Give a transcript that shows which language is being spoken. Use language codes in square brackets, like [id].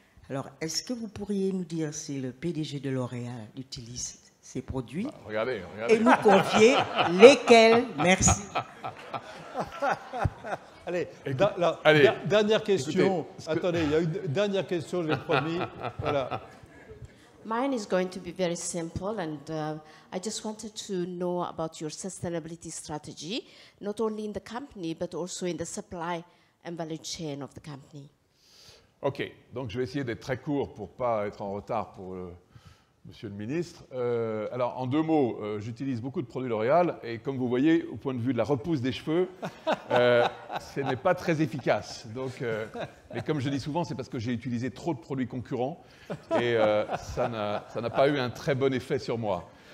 [fr] Alors, est-ce que vous pourriez nous dire si le PDG de L'Oréal utilise ces produits? Bah, regardez, regardez. Et nous confier lesquels? Merci. Allez, dernière question. Écoutez, attendez, il y a une dernière question, je l'ai promis. Voilà. [en] Mine is going to be very simple, and I just wanted to know about your sustainability strategy, not only in the company, but also in the supply and value chain of the company. [fr] OK, donc je vais essayer d'être très court pour ne pas être en retard pour monsieur le ministre. Alors, en deux mots, j'utilise beaucoup de produits L'Oréal, et comme vous voyez, au point de vue de la repousse des cheveux, ce n'est pas très efficace. Donc, mais comme je dis souvent, c'est parce que j'ai utilisé trop de produits concurrents, et ça n'a pas eu un très bon effet sur moi.